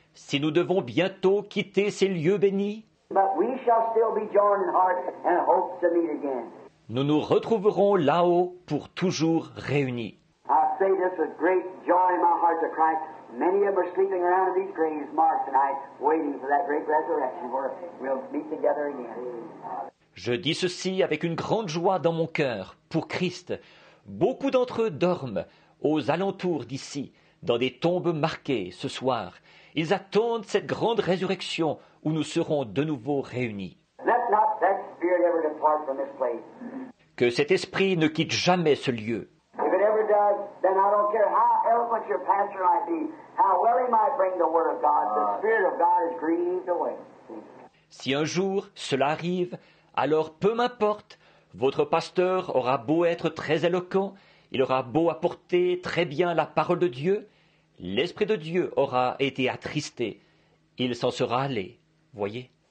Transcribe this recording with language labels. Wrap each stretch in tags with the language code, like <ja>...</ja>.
<fr>Si nous devons bientôt quitter ces lieux bénis,</fr> <en>but we shall still be joined in heart and hope to meet again.</en> <fr>Nous nous retrouverons là-haut pour toujours réunis.</fr> <en>I say this with great joy in my heart to Christ. Many of them are sleeping around these graves, Mark and I, waiting for that great resurrection where we'll meet together again.</en> <fr>Je dis ceci avec une grande joie dans mon cœur pour Christ. Beaucoup d'entre eux dorment aux alentours d'ici, dans des tombes marquées ce soir. Ils attendent cette grande résurrection où nous serons de nouveau réunis.</fr> <en>Let not that spirit ever depart from this place.</en> <fr>Que cet esprit ne quitte jamais ce lieu.</fr> <en>If it ever does, then I don't care how eloquent your pastor might be, how well he might bring the word of God, the spirit of God is grieved away.</en> <fr>Si un jour cela arrive, alors peu m'importe, votre pasteur aura beau être très éloquent, il aura beau apporter très bien la parole de Dieu, l'Esprit de Dieu aura été attristé. Il s'en sera allé, voyez.</fr>